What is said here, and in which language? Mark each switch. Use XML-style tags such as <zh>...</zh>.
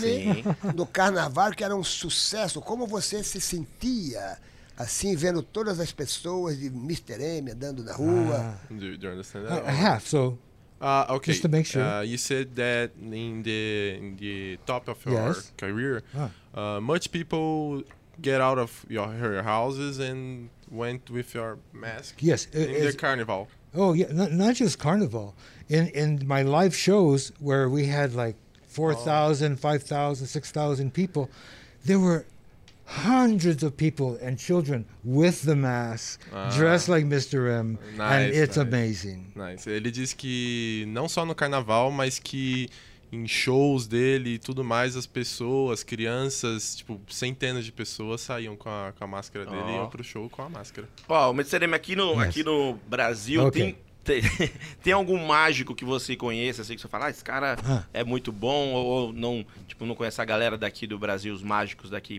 <pt>M no carnaval, que era um sucesso. Como você se sentia assim, vendo todas as pessoas de Mr. M andando na rua?</pt> <en>Do you understand that? I have, so Okay. Just to make sure. You said that in the top of your yes. career, much people get out of your houses and went with your mask. Yes, in the carnival. Oh yeah, not just carnival. In my live shows where we had like 4,000, 5,000, 6,000 people, there were hundreds of people and children with the mask, dressed like Mr. M, nice, and it's nice. Amazing. Nice.</en> <pt>Ele diz que não só no carnaval, mas que em shows dele e tudo mais, as pessoas, crianças, tipo, centenas de pessoas saíam com a máscara dele e iam pro show com a máscara. Ó, o Mitserem, aqui no Brasil, tem algum mágico que você conheça, assim, que você fala, ah, esse cara é muito bom, ou não, tipo, não conhece a galera daqui do Brasil, os mágicos daqui?</pt>